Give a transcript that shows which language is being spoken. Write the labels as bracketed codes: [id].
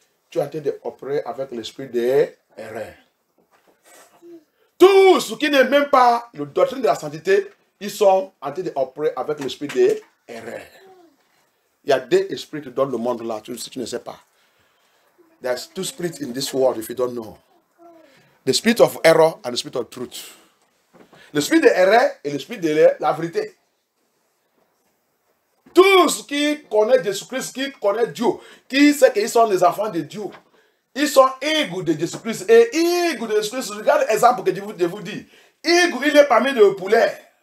[fr] Tu as été opéré avec l'esprit de erreur. Tout ce qui n'est même pas la doctrine de la sainteté, ils sont en train d'opérer avec l'esprit de erreur. Il y a deux esprits dans le monde là, si tu ne sais pas. [en] There's two spirits in this world if you don't know. The spirit of error and the spirit of truth. [fr] L'esprit de erreur et l'esprit de la vérité. Tous qui connaissent Jésus-Christ, qui connaissent Dieu, qui sait qu'ils sont les enfants de Dieu, ils sont égaux de Jésus-Christ. Et égaux de Jésus-Christ, regarde l'exemple que je vous dis. Égaux, il est parmi les poulets.